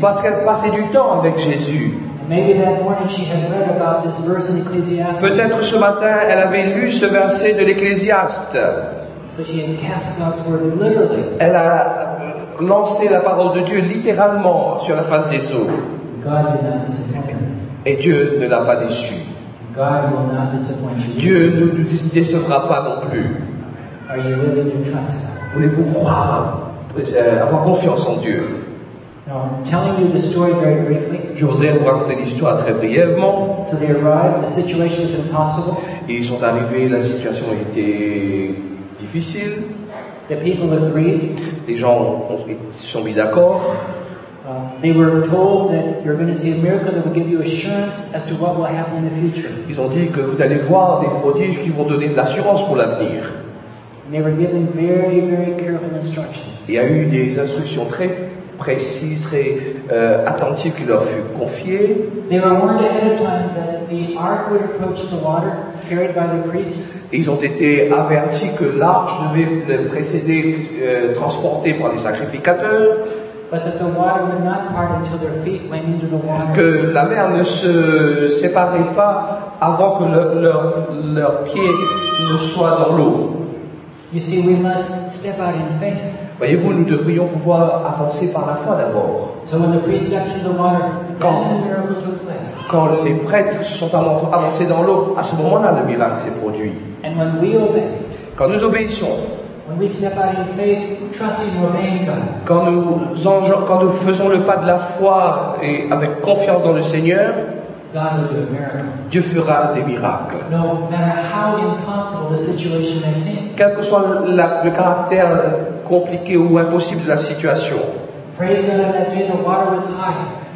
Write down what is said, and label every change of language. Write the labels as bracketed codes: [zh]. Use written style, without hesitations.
[fr] Parce qu'elle passait du temps avec Jésus. [en] Maybe that morning she had read about this verse in Ecclesiastes. [fr] Peut-être ce matin elle avait lu ce verset de l'Ecclésiaste. [en] So she had cast God's word literally. [fr] Elle a lancé la parole de Dieu littéralement sur la face des eaux. [en] God did not disappoint her. [fr] Et Dieu ne l'a pas déçu. [en] God will not disappoint you. [fr] Dieu ne nous décevra pas non plus. [en] Are you willing to trust God? [fr] Voulez-vous croire, avoir confiance en Dieu? [en] Now, I'm telling you the story very briefly. [fr] Je voudrais vous raconter l'histoire très brièvement. [en] So they arrived, the situation was impossible. [fr] Ils sont arrivés, la situation était difficile. [en] The people agreed. [fr] Les gens sont mis d'accord. [en] They were told that you're going to see a miracle that will give you assurance as to what will happen in the future. [fr] Ils ont dit que vous allez voir des prodiges qui vont donner de l'assurance pour l'avenir. [en] And they were given very, very careful instructions. [fr] Il y a eu des instructions très précises, très attentives qui leur furent confiées. [en] They were warned ahead of time that the ark would approach the water carried by the priests. [fr] Ils ont été avertis que l'arche devait précéder, transportée par les sacrificateurs. [en] But that the water would not part until their feet went into the water. [fr] Que la mer ne se séparait pas avant que leur pieds ne soient dans l'eau. [en] You see, we must step out in faith. [fr] Voyez-vous, nous devrions pouvoir avancer par la foi d'abord. [en] So when the priest stepped into the water, quand, then the miracle took place. [fr] Quand les prêtres sont avancés dans l'eau, à ce moment-là, le miracle s'est produit. [en] And when we obey, [fr] quand nous obéissons, [en] when we step out in faith, trusting and obeying God. [fr] Quand nous faisons le pas de la foi et avec confiance dans le Seigneur, [en] God will do a miracle. [fr] Dieu fera des miracles. [en] No matter how impossible the situation may seem. [fr] Quel que soit le caractère compliqué ou impossible de la situation. [en] Praise God that day the water was high.